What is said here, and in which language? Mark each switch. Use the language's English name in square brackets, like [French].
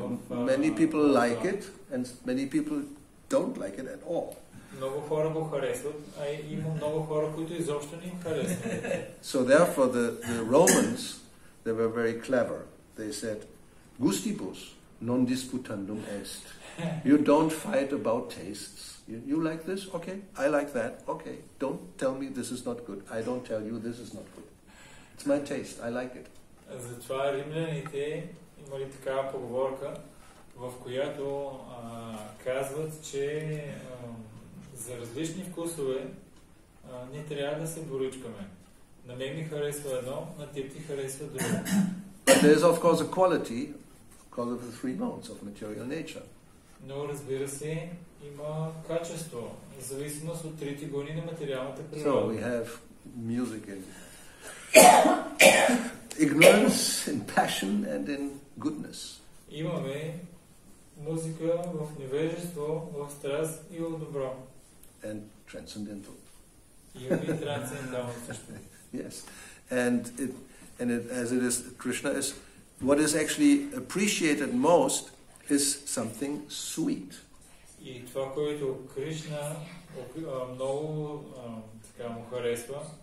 [English] Many people like it, and many people don't like it at all. [Bulgarian] Много хора го харесват, а има много хора, които изобщо не им харесват. [English] So therefore the Romans, they were very clever. They said, [Latin] gustibus non disputandum est. [English] You don't fight about tastes. You like this? Okay. I like that. Okay. Don't tell me this is not good. I don't tell you this is not good. It's my taste. I like it. [Bulgarian] Затова римляните имали такава поговорка, в която казват, че за различни вкусове не трябва да се боричкаме. На мен ми харесва едно, на теб ти харесва друго. [English] There is of course a quality because of the three modes of material nature. [Bulgarian] Но разбира се, има качество, в зависимост от трите гони на материалната природа. [English] So we have music in ignorance, in passion, and in goodness. [Bulgarian] Имаме музика в невежество, в страст и в добро. [English] And transcendental. [Bulgarian] Трансцендентално. [English] Yes, and it, as it is, Krishna is what is actually appreciated most is something sweet. [Bulgarian] И това, което Кришна много така му харесва.